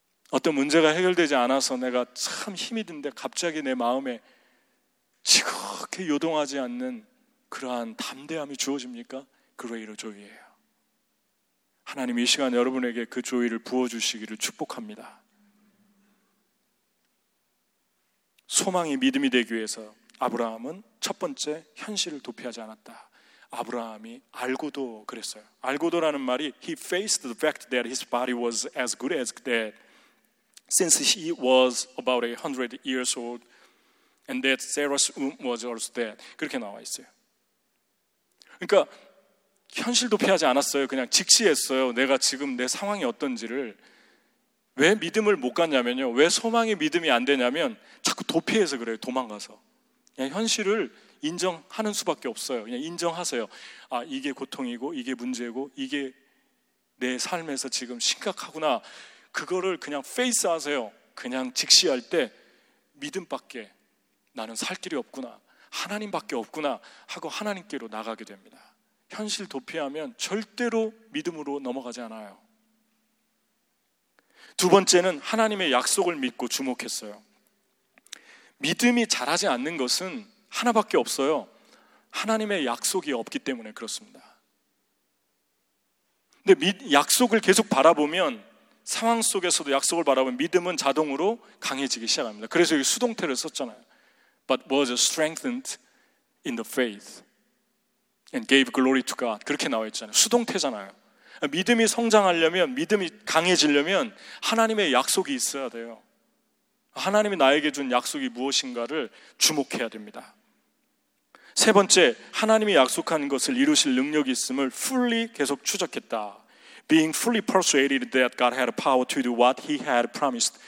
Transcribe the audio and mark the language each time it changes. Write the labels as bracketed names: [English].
[Korean] 어떤 문제가 해결되지 않아서 내가 참 힘이 든데 갑자기 내 마음에 지극히 요동하지 않는 그러한 담대함이 주어집니까? 그레이 조이예요. 하나님 이 시간 여러분에게 그 조이를 부어주시기를 축복합니다. 소망이 믿음이 되기 위해서 아브라함은 첫 번째 현실을 도피하지 않았다. 아브라함이 알고도 그랬어요. 알고도라는 말이 [English] He faced the fact that his body was as good as dead since he was about 100 years old and that Sarah's womb was also dead. [Korean] 그렇게 나와 있어요. 그러니까 현실 도피하지 않았어요. 그냥 직시했어요. 내가 지금 내 상황이 어떤지를. 왜 믿음을 못 갔냐면요. 왜 소망의 믿음이 안 되냐면 자꾸 도피해서 그래요. 도망가서. 그냥 현실을 인정하는 수밖에 없어요. 그냥 인정하세요. 아, 이게 고통이고 이게 문제고 이게 내 삶에서 지금 심각하구나. 그거를 그냥 페이스하세요. 그냥 직시할 때 믿음밖에 나는 살 길이 없구나, 하나님밖에 없구나 하고 하나님께로 나가게 됩니다. 현실 도피하면 절대로 믿음으로 넘어가지 않아요. 두 번째는 하나님의 약속을 믿고 주목했어요. 믿음이 자라지 않는 것은 하나밖에 없어요. 하나님의 약속이 없기 때문에 그렇습니다. 근데 약속을 계속 바라보면, 상황 속에서도 약속을 바라보면 믿음은 자동으로 강해지기 시작합니다. 그래서 여기 수동태를 썼잖아요. [English] But was strengthened in the faith and gave glory to God. [Korean] 그렇게 나와 있잖아요. 수동태잖아요. 믿음이 성장하려면, 믿음이 강해지려면 하나님의 약속이 있어야 돼요. 하나님이 나에게 준 약속이 무엇인가를 주목해야 됩니다. 세 번째, 하나님이 약속한 것을 이루실 능력이 있음을 fully 계속 추적했다. [English] Being fully persuaded that God had power to do what he had promised.